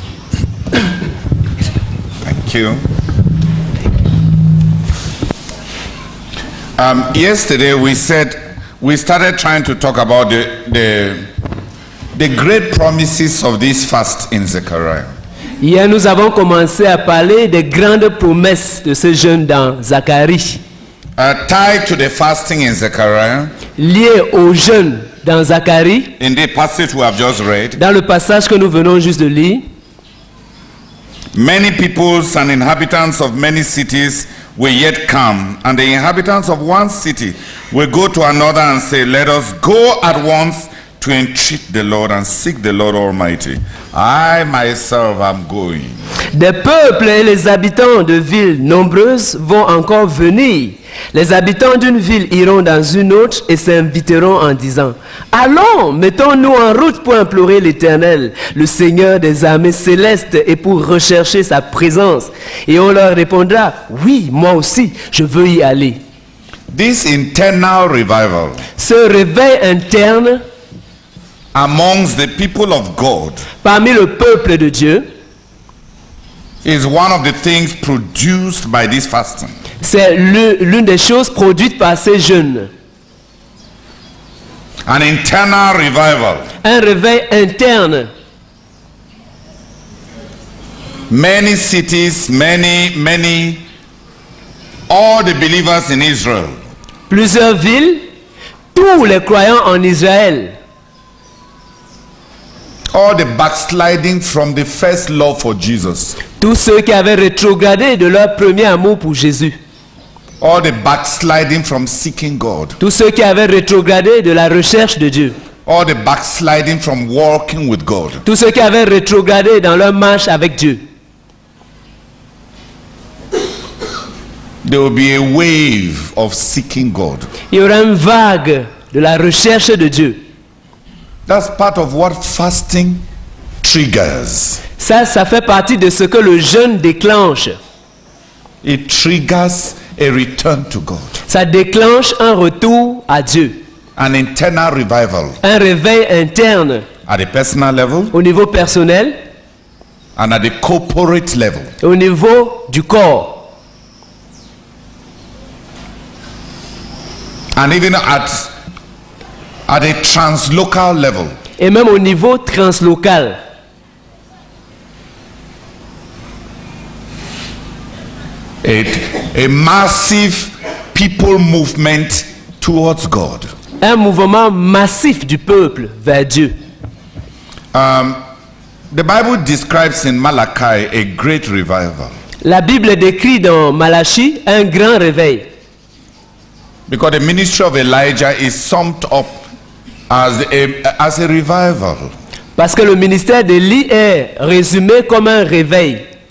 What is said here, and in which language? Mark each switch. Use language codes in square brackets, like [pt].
[en] Thank you. Yesterday we started trying to talk about the great promises of this fast in Zechariah. [fr] Hier, nous avons commencé à parler des grandes promesses de ce jeûne dans Zacharie. [en] Tied to the fasting in Zechariah. [fr] Lié au jeûne dans Zacharie. [en] In the passage we have just read. [fr] Dans le passage que nous venons juste de lire. [en] Many peoples and inhabitants of many cities will yet come, and the inhabitants of one city will go to another and say, Let us go at once. To entreat the Lord and seek the Lord Almighty. I myself am going. [fr] Des peuples et les habitants de villes nombreuses vont encore venir. Les habitants d'une ville iront dans une autre et s'inviteront en disant, Allons, mettons-nous en route pour implorer l'Éternel, le Seigneur des armées célestes, et pour rechercher sa présence. Et on leur répondra, Oui, moi aussi, je veux y aller. [en] This internal revival. [fr] Ce réveil interne. [en] Amongst the people of God, [fr] parmi le peuple de Dieu, [en] is one of the things produced by this fasting. [fr] C'est l'une des choses produites par ces jeûnes. [en] An internal revival. [fr] Un réveil interne. [en] Many cities, many, all the believers in Israel. [fr] Plusieurs villes, tous les croyants en Israël. [en] All the backsliding from the first love for Jesus. [fr] Tous ceux qui avaient rétrogradé de leur premier amour pour Jésus. [en] All the backsliding from seeking God. [fr] Tous ceux qui avaient rétrogradé de la recherche de Dieu. [en] All the backsliding from walking with God. [fr] Tous ceux qui avaient rétrogradé dans leur marche avec Dieu. [en] There will be a wave of seeking God. [fr] Il y aura une vague de la recherche de Dieu. [en] That's part of what fasting triggers. [fr] Ça fait partie de ce que le jeûne déclenche. [en] It triggers a return to God. [fr] Ça déclenche un retour à Dieu. [en] An internal revival. [fr] Un réveil interne. [en] At a personal level. [fr] Au niveau personnel. [en] And at the corporate level. [fr] Au niveau du corps. [en] And even at a translocal level. [fr] Et même au niveau translocal. [en] A massive people movement towards God. [fr] Un mouvement massif du peuple vers Dieu. [en] The Bible describes in Malachi a great revival. [fr] La Bible décrit dans Malachie un grand réveil. [en] Because the ministry of Elijah is summed up as a revival. [fr] Parce que le ministère d'Élie est résumé comme un réveil.